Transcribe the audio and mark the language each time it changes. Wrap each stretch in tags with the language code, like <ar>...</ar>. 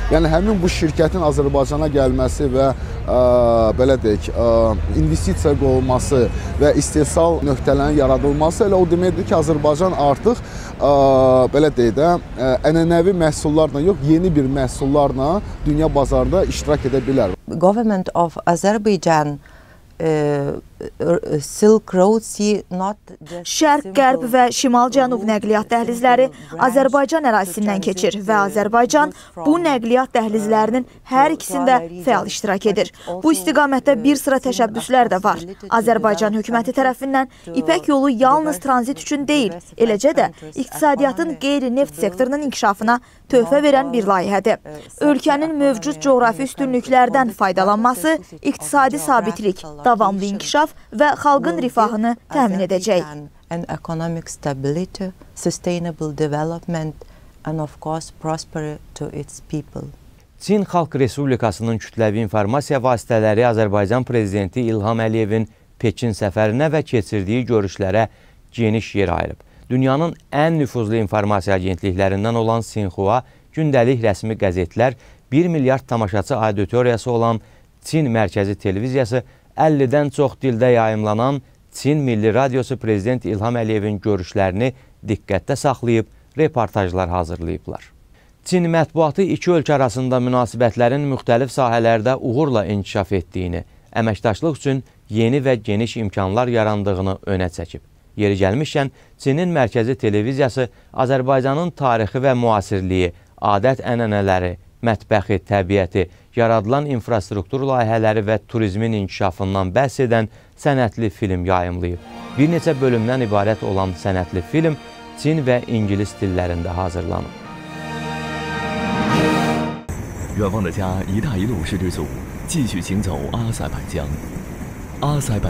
<az>Yəni, həmin bu şirkətin Azərbaycana gəlməsi və belə deyək, investisiya qovulması və istehsal nöqtələrinin yaradılması elə o deməkdir ki, Azərbaycan artıq belə deyək də, ənənəvi məhsullarla yox, yeni bir məhsullarla dünya bazarında iştirak edə bilər.</az> <en>Government of Azerbaijan Silk Road not</en> <az>Şərq, Qərb və Şimal-Cənub nəqliyyat dəhlizləri Azərbaycan ərazisindən keçir və Azərbaycan bu nəqliyyat dəhlizlərinin hər ikisində fəal iştirak edir. Bu istiqamətdə bir sıra təşəbbüslər də var. Azərbaycan hökuməti tərəfindən İpək yolu yalnız tranzit üçün deyil, eləcə də iqtisadiyyatın qeyri-neft sektorunun inkişafına töhfə verən bir layihədir. Ölkənin mövcud coğrafi üstünlüklərdən faydalanması iqtisadi sabitlik, davamlı inkişaf və xalqın rifahını təmin edəcək.</az> <en>And economic stability, sustainable development and of course prosperity to its people.</en> <az>Çin Xalq Respublikasının kütləvi informasiya vasitələri Azərbaycan prezidenti İlham Əliyevin Pekin səfərinə və keçirdiyi görüşlərə geniş yer ayırıb. Dünyanın ən nüfuzlu informasiya agentliklərindən olan Sinxua gündəlik rəsmi qəzetlər, 1 milyard tamaşaçı auditoriyası olan Çin mərkəzi televiziyası, 50-dən çox dildə yayımlanan Çin Milli Radiosu Prezident İlham Əliyevin görüşlərini diqqətdə saxlayıb, reportajlar hazırlayıblar. Çin mətbuatı iki ölkə arasında münasibətlərin müxtəlif sahələrdə uğurla inkişaf etdiyini, əməkdaşlıq üçün yeni və geniş imkanlar yarandığını önə çəkib. Yeri gəlmişkən, Çinin mərkəzi televiziyası Azərbaycanın tarixi və müasirliyi, adət-ənənələri, mətbəxi, təbiəti, yaradılan infrastruktur layihələri və turizmin inkişafından bəhs edən sənədli film yayımlayıb. Bir neçə bölümdən ibarət olan sənədli film Çin və İngilis dillərində hazırlanıb. Yuanvangca İdaiyilu 40组, 继续行走阿塞拜疆。</az>